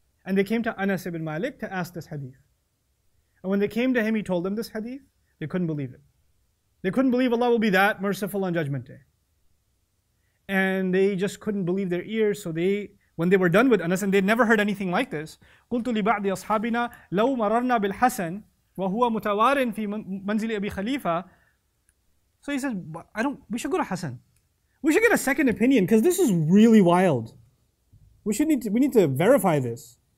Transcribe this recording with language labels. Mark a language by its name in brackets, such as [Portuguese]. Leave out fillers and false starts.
[English] And they came to Anas ibn Malik to ask this hadith. And when they came to him, he told them this hadith. They couldn't believe it. They couldn't believe Allah will be that merciful on Judgment Day. And they just couldn't believe their ears. So they, when they were done with Anas, and they'd never heard anything like this. [Arabic] قُلْتُ لِبَعْدِ أَصْحَابِنَا لَوْ مَرَرْنَا بِالْحَسَنِ وَهُوَ مُتَوَارٍ فِي مَنْزِلِ أَبِي خَلِيفَ [English] So he says, we should go to Hassan. We should get a second opinion, because this is really wild. We need to verify this.